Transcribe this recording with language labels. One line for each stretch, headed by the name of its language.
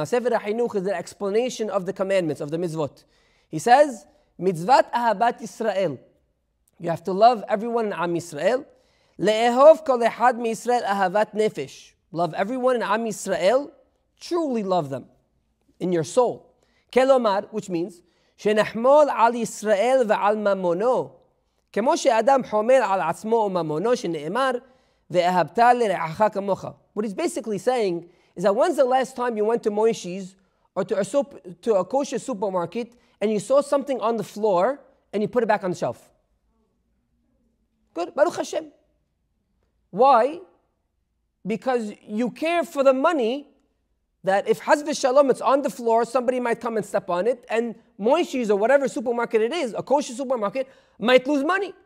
English: Now Sefer HaChinuch is the explanation of the commandments, of the mitzvot. He says,
Hebrew: Mitzvat Ahabat Yisrael.
English: You have to love everyone in Am Yisrael.
Hebrew: Le'ehov kol echad miYisrael ahavat nefesh.
English: Love everyone in Am Yisrael. Truly love them in your soul.
Hebrew: Kelomar,
English: which means,
Hebrew: שנחמול על ישראל ועל ממונו, כמו שאדם חומל על עצמו וממונו שנאמר, ואהבת לרעך כמוך.
English: What he's basically saying is that when's the last time you went to Moishi's or to a kosher supermarket and you saw something on the floor and you put it back on the shelf? Good. Baruch Hashem. Why? Because you care for the money that if Chas v'Shalom it's on the floor, somebody might come and step on it, and Moishi's or whatever supermarket it is, a kosher supermarket, might lose money.